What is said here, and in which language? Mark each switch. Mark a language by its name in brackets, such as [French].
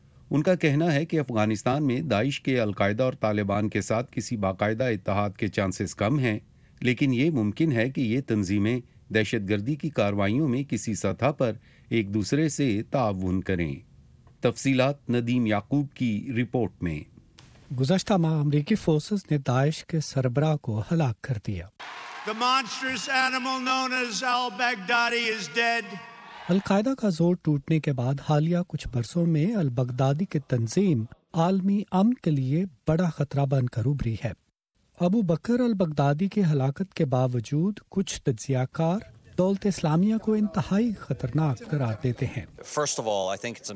[Urdu] ان کا کہنا ہے کہ افغانستان میں داعش کے القاعدہ اور طالبان کے ساتھ کسی باقاعدہ اتحاد کے چانسز کم ہیں, لیکن یہ ممکن ہے کہ یہ تنظیمیں دہشت گردی کی کارروائیوں میں کسی سطح پر ایک دوسرے سے تعاون کریں. تفصیلات ندیم یعقوب کی رپورٹ میں. گزشتہ ماہ امریکی فورسز نے داعش کے سربراہ کو ہلاک کر دیا. [English] The monstrous animal known as al-Baghdadi is dead. [Urdu] القاعدہ کا زور ٹوٹنے کے بعد حالیہ کچھ برسوں میں البغدادی کی تنظیم عالمی امن کے لیے بڑا خطرہ بن کر ابھری ہے. ابو بکر البغدادی کی ہلاکت کے باوجود کچھ تجزیہ کار دولت اسلامیہ کو انتہائی خطرناک قرار دیتے ہیں.